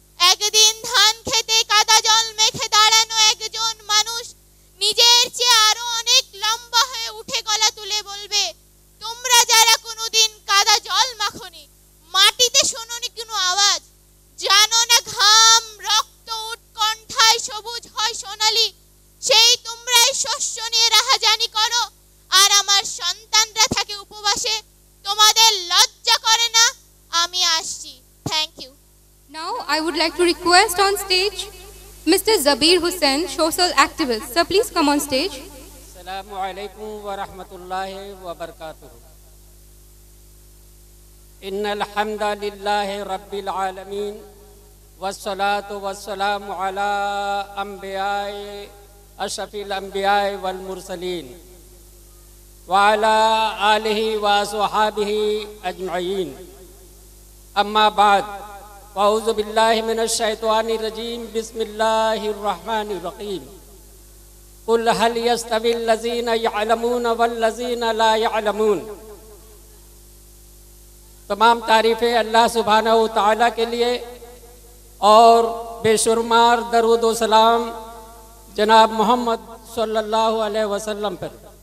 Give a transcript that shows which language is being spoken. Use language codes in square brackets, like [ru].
[bn] একদিন ধান খেতে কাদা জল মেখে দাঁড়ানো একজন মানুষ নিজের চেয়ে আরো অনেক লম্বা হয়ে উঠে গলা তুলে বলবে, তোমরা যারা কোনোদিন কাদা জল মাখনি, মাটিতে শোনোনি কোনো আওয়াজ, জানো না ঘাম রক্ত কণ্ঠায় সবুজ হয় সোনালী, সেই তোমরাই শস্য নিয়ে রাহাজানি করো আর আমার সন্তানরা থাকে উপবাসে, তোমাদের লজ্জা করে না? আমি আসছি। [en] Thank you. Now I would like to request on stage mister Jabir Hossain, social activist, sir please come on stage. [ar] আসসালামু আলাইকুম ওয়া রাহমাতুল্লাহি ওয়া বারাকাতুহু। ইন্নাল হামদালিল্লাহি রাব্বিল আলামিন والصلاة والسلام على أنبياء أشرف الأنبياء والمرسلين وعلى آله وصحابه أجمعين. أما بعد، أعوذ بالله من الشيطان الرجيم، بسم الله الرحمن الرحيم. قل هل يستوي الذين يعلمون والذين لا يعلمون؟ [ur] تمام تعریفیں اللہ سبحانہ وتعالی کے لیے، اور بے شمار درود و سلام جناب محمد صلی اللہ علیہ وسلم پر۔